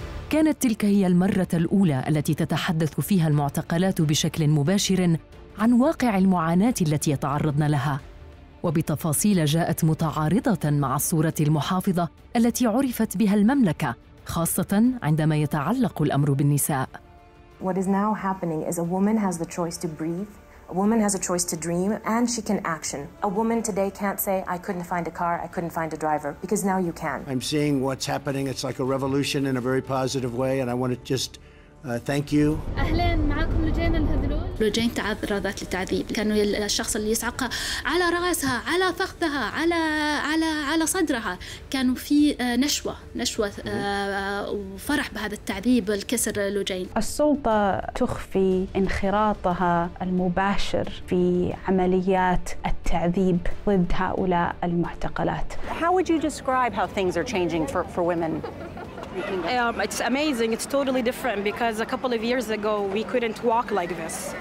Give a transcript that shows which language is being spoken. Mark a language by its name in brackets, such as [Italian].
[Arabic] كانت تلك هي المرة الأولى التي تتحدث فيها المعتقلات بشكل مباشر عن واقع المعاناة التي يتعرضن لها، وبتفاصيل جاءت متعارضة مع الصورة المحافظة التي عرفت بها المملكة، خاصة عندما يتعلق الأمر بالنساء. [English] What is now happening is a woman has the choice to breathe. A woman has a choice to dream and she can action. A woman today can't say, I couldn't find a car, I couldn't find a driver, because now you can. I'm seeing what's happening. It's like a revolution in a very positive way, and I want to just thank you. [Arabic] أهلا معكم لجين الهذلول. لجين تعرضت للتعذيب، كانوا الشخص اللي يسعقها على رأسها، على فخذها، على على على صدرها، كانوا في نشوة وفرح بهذا التعذيب الكسر لجين. السلطة تخفي انخراطها المباشر في عمليات التعذيب ضد هؤلاء المعتقلات. [English] How would you describe how things are changing for women? It's amazing. It's totally different because a couple of years ago we couldn't walk like this.